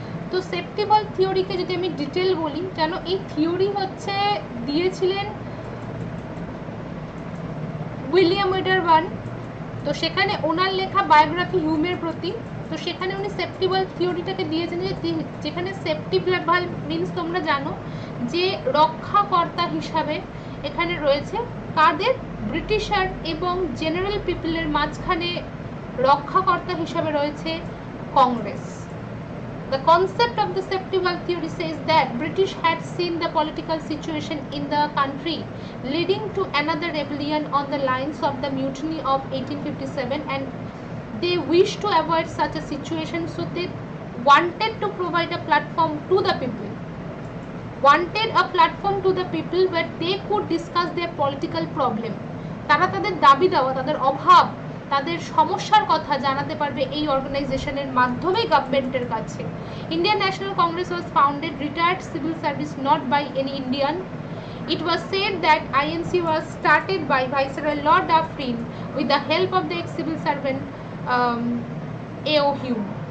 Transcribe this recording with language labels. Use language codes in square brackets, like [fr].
[bn] তো safety bulk থিওরিকে যদি আমি ডিটেল বলি, যেন এই থিওরি হচ্ছে দিয়েছিলেন উইলিয়াম ওয়েডারবার্ন, তো সেখানে ওনার লেখা বায়োগ্রাফি হিউমের প্রতি, তো সেখানে উনি সেফটি বাল্ক থিওরিটাকে দিয়েছেন, যেখানে সেফটি বাল্ক মিন্স তোমরা জানো যে রক্ষাকর্তা হিসাবে এখানে রয়েছে কাদের, ব্রিটিশার এবং জেনারেল পিপলের মাঝখানে রক্ষাকর্তা হিসাবে রয়েছে Congress. [en] The concept of the safety valve theory says that British had seen the political situation in the country leading to another rebellion on the lines of the mutiny of 1857, and they wished to avoid such a situation, so they wanted to provide a platform to the people, wanted a platform to the people where they could discuss their political problem. [bn] তারা তাদের দাবি দাওয়া, তাদের অভাব, তাদের সমস্যার কথা জানাতে পারবে এই অর্গানাইজেশনের মাধ্যমে গভর্নমেন্টের কাছে। [en] Indian national Congress was founded retired civil service not by any Indian. It was said that INC was started by viceroy lord Dufferin with the help of the ex civil servant A O Hume.